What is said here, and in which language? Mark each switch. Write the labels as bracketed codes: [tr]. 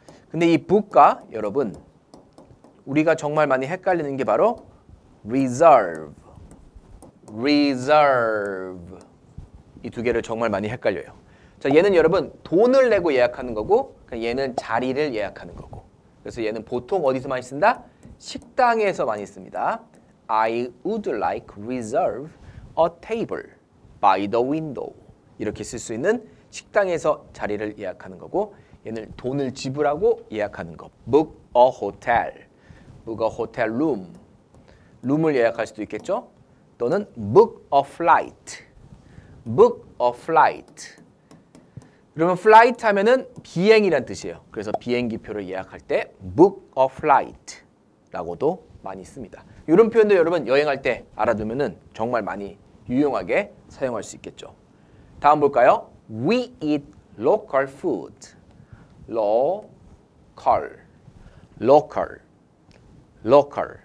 [ko] 근데 이 book과 여러분 우리가 정말 많이 헷갈리는 게 바로 reserve. [en] reserve. [ko] 이 두 개를 정말 많이 헷갈려요. 자, 얘는 여러분 돈을 내고 예약하는 거고, 얘는 자리를 예약하는 거고. 그래서 얘는 보통 어디서 많이 쓴다? 식당에서 많이 씁니다. [en] I would like reserve a table by the window. [ko] 이렇게 쓸 수 있는 식당에서 자리를 예약하는 거고, 얘는 돈을 지불하고 예약하는 거. [en] Book a hotel. Book a hotel room. [ko] 룸을 예약할 수도 있겠죠? 또는 [en] book a flight. Book a flight. [ko] 그러면 flight 하면은 비행이란 뜻이에요. 그래서 비행기표를 예약할 때 [en] book a flight [ko] 라고도 많이 씁니다. 이런 표현도 여러분 여행할 때 알아두면은 정말 많이 유용하게 사용할 수 있겠죠. [en] 다음 볼까요? We eat local food. Local. Local. Local.